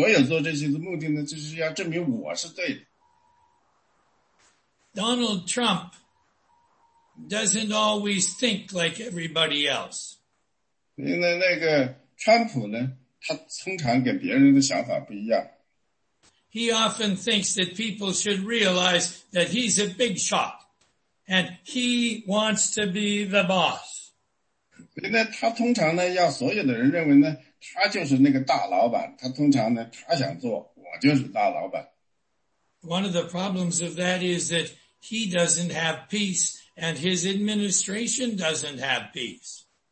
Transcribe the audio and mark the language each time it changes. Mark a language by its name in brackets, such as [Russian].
[Chinese] 因为上面这些都是非常容易的，除非有些人说呢，我想做我做的事情，我想去做我回答的答案，我想去想我想做的事情，我所有做这些的目的呢，就是要证明我是对的。 [English] Donald Trump doesn't always think like everybody else. [Chinese] 因为那个川普呢，他通常跟别人的想法不一样。He [English] often thinks that people should realize that he's a big shot and he wants to be the boss. [Chinese] 因为他通常呢，要所有的人认为呢，他就是那个大老板。他通常呢，他想做，我就是大老板。One [English] of the problems of that is that he doesn't have peace, and his administration doesn't have peace.